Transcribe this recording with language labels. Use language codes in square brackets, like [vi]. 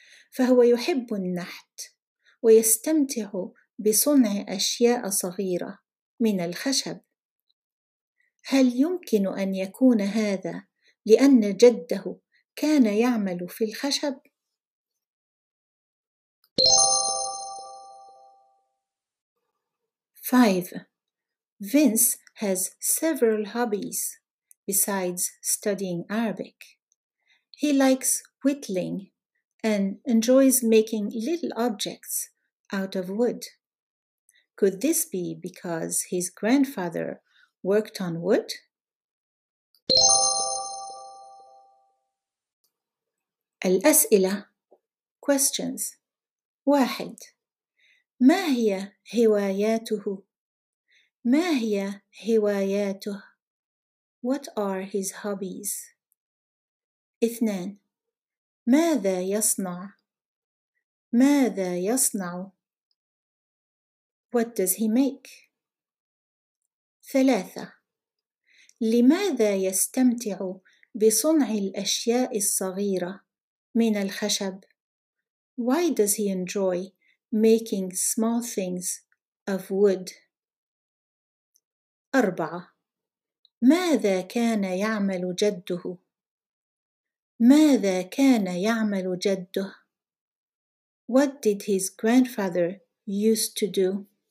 [ar] فهو يحب النحت ويستمتع بصنع أشياء صغيرة من الخشب. هل يمكن أن يكون هذا لأن جده كان يعمل في الخشب؟ [en] Five. Vince has several hobbies besides studying Arabic. He likes whittling and enjoys making little objects out of wood. Could this be because his grandfather worked on wood? [ar] الأسئلة. [en] Questions. [ar] واحد. ما هي هواياته؟ ما هي هواياته؟ [en] What are his hobbies? [ar] اثنان. ماذا يصنع؟ ماذا يصنع؟ [en] What does he make? [ar] ثلاثة. لماذا يستمتع بصنع الأشياء الصغيرة من الخشب؟ [en] Why does he enjoy making small things of wood? [ar] أربعة. ماذا كان يعمل جده؟ ماذا كان يعمل جده؟ [en] What did his grandfather used to do?